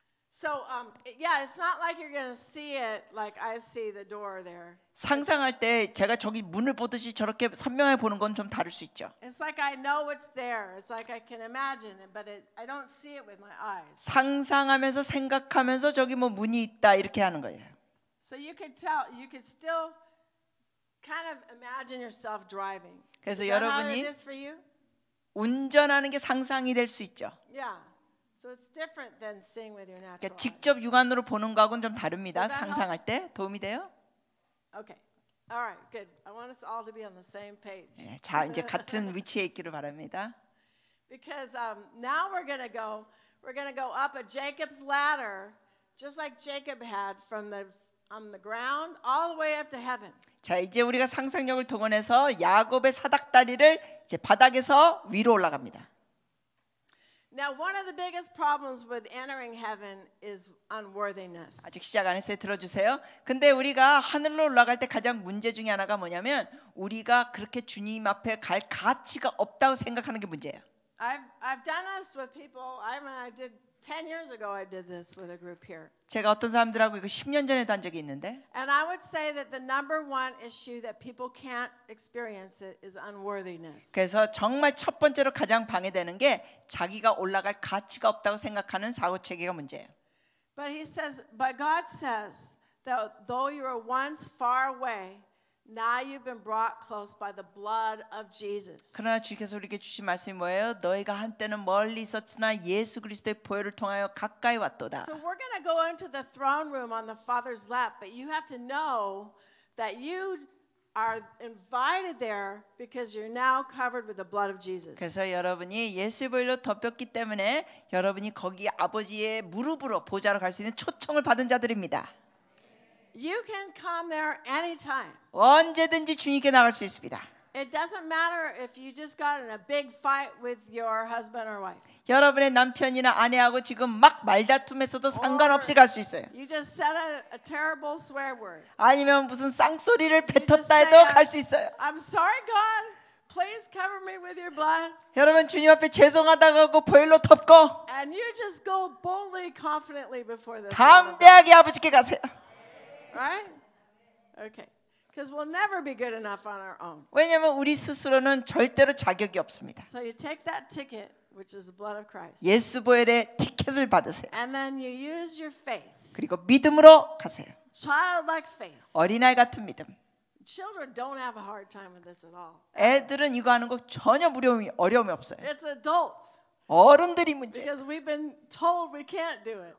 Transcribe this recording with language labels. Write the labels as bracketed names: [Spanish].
[English] So, it's not like you're gonna see it like I see the door there. [Korean] 상상할 때 제가 저기 문을 보듯이 저렇게 선명히 보는 건 좀 다를 수 있죠. [English] It's like I know what's there. It's like I can imagine it, but I don't see it with my eyes. [Korean] 상상하면서 생각하면서 저기 뭐 문이 있다 이렇게 하는 거예요. [English] So you could tell, you could still kind of imagine yourself driving. [Korean] 그래서 여러분이 [English] Is that how it is for you? [Korean] 운전하는 게 상상이 될 수 있죠. [English] Yeah. So it's different than seeing with your natural eyes. [Korean] 직접 육안으로 보는 거하고는 좀 다릅니다. 상상할 때 도움이 돼요? [English] Okay. All right. Good. I want us all to be on the same page. [Korean] 네, 자, 이제 같은 위치에 있기를 바랍니다. [English] Because now we're going to go up a Jacob's ladder just like Jacob had from the on the ground all the way up to heaven. [Korean] 자, 이제 우리가 상상력을 동원해서 야곱의 사닥다리를 이제 바닥에서 위로 올라갑니다. [English] Now one of the biggest problems with entering heaven is unworthiness. [Korean] 아직 시작 안 했어요. 들어 주세요. 근데 우리가 하늘로 올라갈 때 가장 문제 중에 하나가 뭐냐면 우리가 그렇게 주님 앞에 갈 가치가 없다고 생각하는 게 문제예요. [English] I've done this with people. I did 10 years ago I did this with a group here. [Korean] 제가 어떤 사람들하고 이거 10년 전에 한 적이 있는데. [English] And I would say that the number one issue that people can't experience it is unworthiness. [Korean] 그래서 정말 첫 번째로 가장 방해되는 게 자기가 올라갈 가치가 없다고 생각하는 사고 체계가 문제예요. [English] But he says, but God says that though you were once far away, now you've been brought close by the blood of Jesus. [Korean] 그러나 주께서 우리에게 주신 말씀이 뭐예요? 너희가 한때는 멀리 있었으나 예수 그리스도의 보혈을 통하여 가까이 왔도다. [English] So we're going to go into the throne room on the Father's lap, but you have to know that you are invited there because you're now covered with the blood of Jesus. [Korean] 그래서 여러분이 예수의 보혈로 덮였기 때문에 여러분이 거기 아버지의 무릎으로 보좌로 갈 수 있는 초청을 받은 자들입니다. [English] You can come there anytime. [Korean] 언제든지 주님께 나갈 수 있습니다. [English] It doesn't matter if you just got in a big fight with your husband or wife. [Korean] 여러분의 남편이나 아내하고 지금 막 말다툼에서도 상관없이 갈 수 있어요. [English] You just said a terrible swear word. [Korean] 아니면 무슨 쌍소리를 뱉었다 해도 갈 수 있어요. [English] I'm sorry, God. Please cover me with your blood. [Korean] 여러분 주님 앞에 죄송하다고 하고 보혈로 덮고. [English] And you just go boldly, confidently before the. [Korean] 담대하게 아버지께 가세요. [English] Right? Okay. Because we'll never be good enough on our own. [Korean] 왜냐면 우리 스스로는 절대로 자격이 없습니다. [English] So you take that ticket, which is the blood of Christ. [Korean] 예수 보혈의 티켓을 받으세요. [English] And then you use your faith. [Korean] 그리고 믿음으로 가세요. [English] Childlike faith. [Korean] 어린아이 같은 믿음. [English] Children don't have a hard time with this at all. [Korean] 애들은 이거 하는 거 전혀 어려움이 없어요. [English] It's adults. [Korean] 어른들이 문제. [English] Because we've been told we can't do it.